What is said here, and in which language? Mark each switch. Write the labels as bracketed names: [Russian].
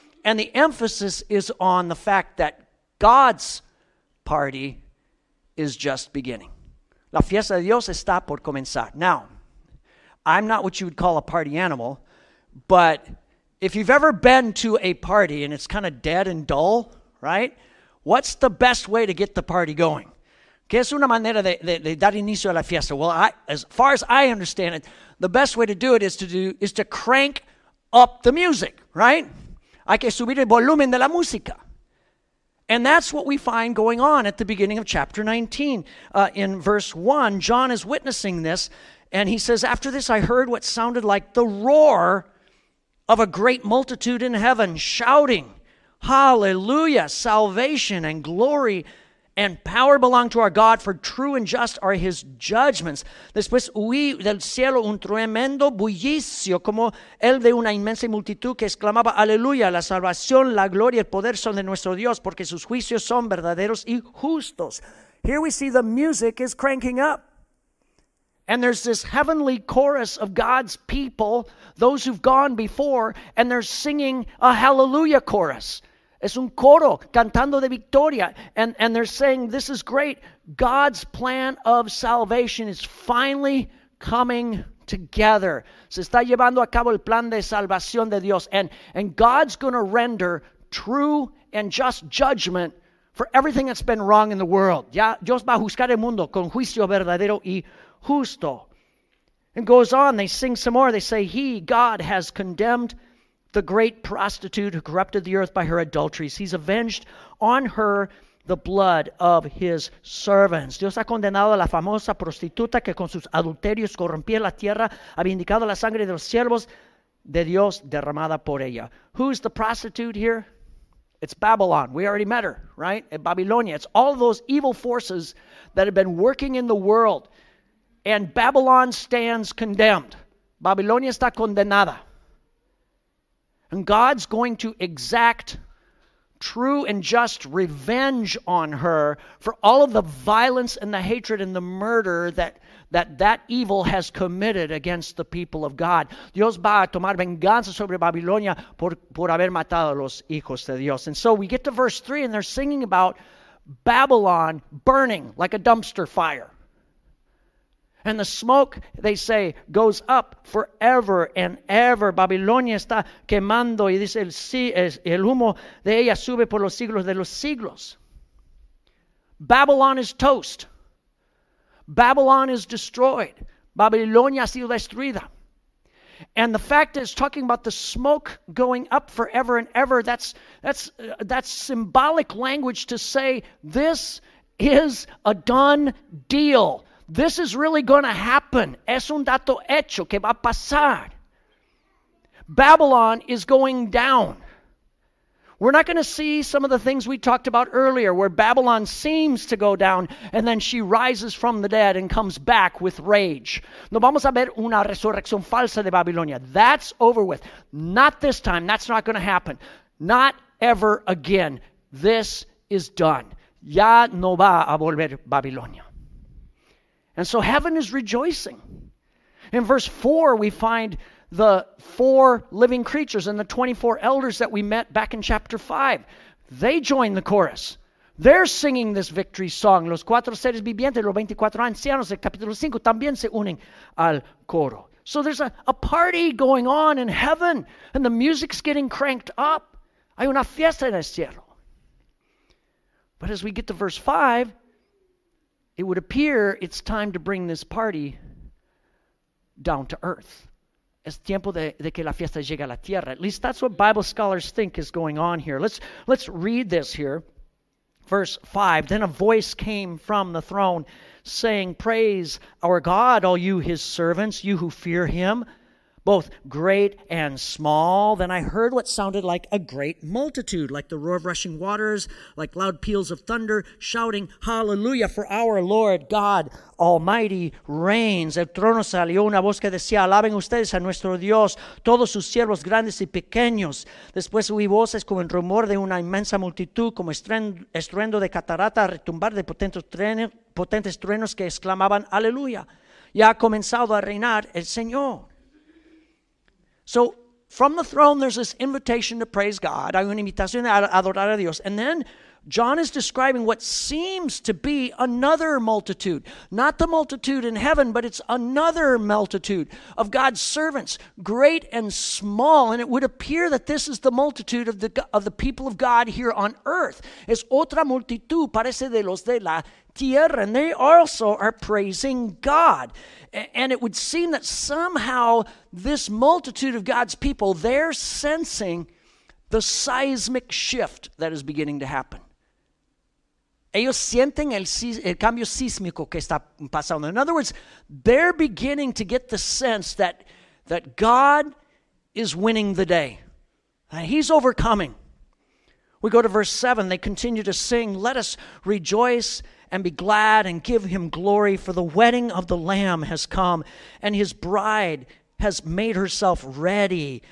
[English] And the emphasis is on the fact that God's party is just beginning. [Spanish] La fiesta de Dios está por comenzar. [English] Now, I'm not what you would call a party animal, but if you've ever been to a party and it's kind of dead and dull, right? What's the best way to get the party going? [Spanish] ¿Qué es una manera de dar inicio a la fiesta? [English] Well, as far as I understand it, the best way to do it is to crank up the music, right? [Spanish] Hay que subir el volumen de la música. [English] And that's what we find going on at the beginning of chapter 19. In verse 1, John is witnessing this, and he says, "After this I heard what sounded like the roar of a great multitude in heaven, shouting, 'Hallelujah! Salvation and glory and power belong to our God, for true and just are his judgments.'" [Spanish] Después oí del cielo un tremendo bullicio, como el de una inmensa multitud que exclamaba, "Aleluya, la salvación, la gloria y el poder son de nuestro Dios, porque sus juicios son verdaderos y justos." [English] Here we see the music is cranking up. And there's this heavenly chorus of God's people, those who've gone before, and they're singing a hallelujah chorus. [Spanish] Es un coro cantando de victoria. [English] And they're saying, this is great. God's plan of salvation is finally coming together. [Spanish] Se está llevando a cabo el plan de salvación de Dios. [English] And God's going to render true and just judgment for everything that's been wrong in the world. [Spanish] Ya Dios va a juzgar el mundo con juicio verdadero y justo. [English] And goes on, they sing some more. They say, "He, God, has condemned the great prostitute who corrupted the earth by her adulteries. He's avenged on her the blood of his servants." [Spanish] Dios ha condenado a la famosa prostituta que con sus adulterios corrompía la tierra, ha vindicado la sangre de los siervos de Dios derramada por ella. [English] Who's the prostitute here? It's Babylon. We already met her, right? At Babylonia. It's all those evil forces that have been working in the world. And Babylon stands condemned. [Spanish] Babilonia está condenada. [English] And God's going to exact true and just revenge on her for all of the violence and the hatred and the murder that evil has committed against the people of God. [Spanish] Dios va a tomar venganza sobre Babilonia por haber matado a los hijos de Dios. [English] And so we get to verse 3 and they're singing about Babylon burning like a dumpster fire. And the smoke, they say, goes up forever and ever. [Spanish] Babilonia está quemando. Y dice, el humo de ella sube por los siglos de los siglos. [English] Babylon is toast. Babylon is destroyed. [Spanish] Babilonia ha sido destruida. [English] And the fact is, talking about the smoke going up forever and ever, that's symbolic language to say this is a done deal. This is really going to happen. [Spanish] Es un dato hecho que va a pasar. [English] Babylon is going down. We're not going to see some of the things we talked about earlier where Babylon seems to go down and then she rises from the dead and comes back with rage. [Spanish] No vamos a ver una resurrección falsa de Babilonia. [English] That's over with. Not this time. That's not going to happen. Not ever again. This is done. [Spanish] Ya no va a volver Babilonia. [English] And so heaven is rejoicing. In verse 4, we find the four living creatures and the 24 elders that we met back in chapter 5. They join the chorus. They're singing this victory song. [Spanish] Los cuatro seres vivientes, los 24 ancianos del capítulo 5, también se unen al coro. [English] So there's a party going on in heaven, and the music's getting cranked up. [Spanish] Hay una fiesta en el cielo. [English] But as we get to verse 5, it would appear it's time to bring this party down to earth. [Spanish] Es tiempo de que la fiesta llegue a la tierra. [English] At least that's what Bible scholars think is going on here. Let's read this here. Verse 5. Then a voice came from the throne saying, "Praise our God, all you his servants, you who fear him, both great and small." Then I heard what sounded like a great multitude, like the roar of rushing waters, like loud peals of thunder, shouting, "Hallelujah, for our Lord God Almighty reigns." [Spanish] El trono salió una voz que decía, "Alaben ustedes a nuestro Dios, todos sus siervos grandes y pequeños." Después oí voces como el rumor de una inmensa multitud, como estruendo de catarata, retumbar de potentes truenos que exclamaban, "Aleluya, ya ha comenzado a reinar el Señor." [English] So from the throne, there's this invitation to praise God. [Spanish] Hay una invitación a adorar a Dios. [English] And then John is describing what seems to be another multitude. Not the multitude in heaven, but it's another multitude of God's servants, great and small. And it would appear that this is the multitude of the people of God here on earth. [Spanish] Es otra multitud, parece de los de la tierra. [English] And they also are praising God. And it would seem that somehow this multitude of God's people, they're sensing the seismic shift that is beginning to happen. [Spanish] Ellos sienten el cambio sísmico que está pasando. [English] In other words, they're beginning to get the sense that God is winning the day. He's overcoming. We go to verse 7. They continue to sing, "Let us rejoice and be glad and give him glory, for the wedding of the Lamb has come, and his bride has made herself ready.